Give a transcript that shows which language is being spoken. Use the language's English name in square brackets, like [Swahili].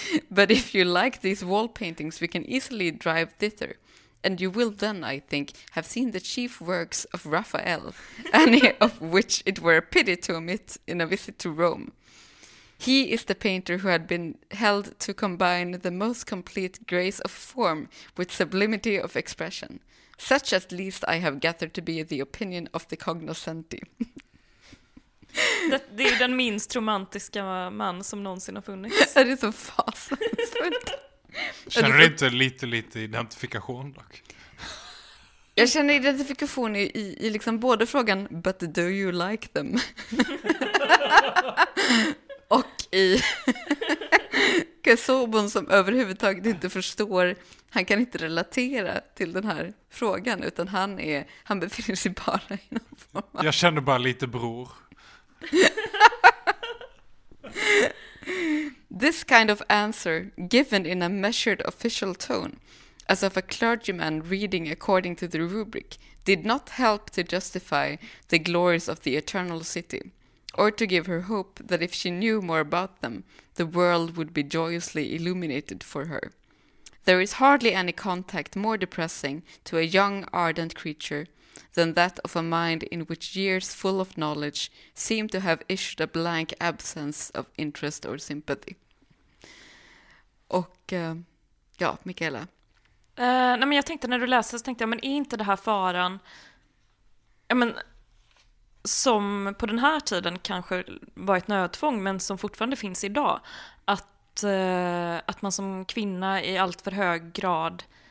[English] But if you like these wall paintings, we can easily drive thither, and you will then, I think, have seen the chief works of Raphael, any of which it were a pity to omit in a visit to Rome. He is the painter who had been held to combine the most complete grace of form with sublimity of expression. Such at least I have gathered to be the opinion of the cognoscenti." [Swedish] Det är den minst romantiska man som någonsin har funnits. Är det så fasansfullt? Känner du inte lite identifikation dock? Jag känner identifikation i liksom både frågan "But do you like them?" och i Kasobon som överhuvudtaget inte förstår, han kan inte relatera till den här frågan, utan han befinner sig bara i någon form av... Jag känner bara lite bror. [English] "This kind of answer, given in a measured official tone, as of a clergyman reading according to the rubric, did not help to justify the glories of the Eternal City, or to give her hope that if she knew more about them, the world would be joyously illuminated for her. There is hardly any contact more depressing to a young, ardent creature than that of a mind in which years full of knowledge seem to have issued a blank absence of interest or sympathy. [Swedish] Och ja, Michaela. Nej, men jag tänkte när du läste så tänkte jag, men är inte det här faran, ja, men, som på den här tiden kanske var ett nödtvång men som fortfarande finns idag, att man som kvinna i allt för hög grad